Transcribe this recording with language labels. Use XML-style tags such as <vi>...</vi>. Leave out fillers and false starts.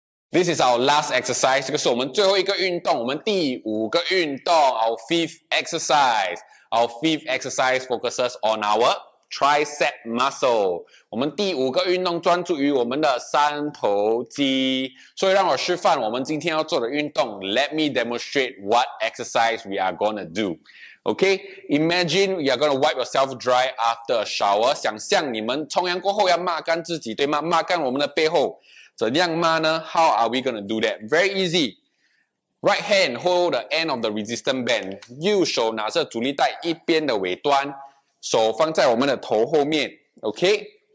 <en>This is our last exercise.</en> <zh>这个是我们最后一个运动。我们第五个运动。</zh> <en>Our fifth exercise. Our fifth exercise focuses on our... tricep muscle.</en> <zh>我们第五个运动专注于我们的三头肌。所以让我示范我们今天要做的运动。</zh> <en>Let me demonstrate what exercise we are gonna do. Okay? Imagine you are gonna wipe yourself dry after a shower.</en> <zh>想象你们冲凉过后要抹干自己，对吗？抹干我们的背后。怎样抹呢？</zh> <en>How are we gonna do that? Very easy. Right hand hold the end of the resistance band.</en> <zh>右手拿着阻力带一边的尾端。手放在我们的头后面 ，OK.</zh>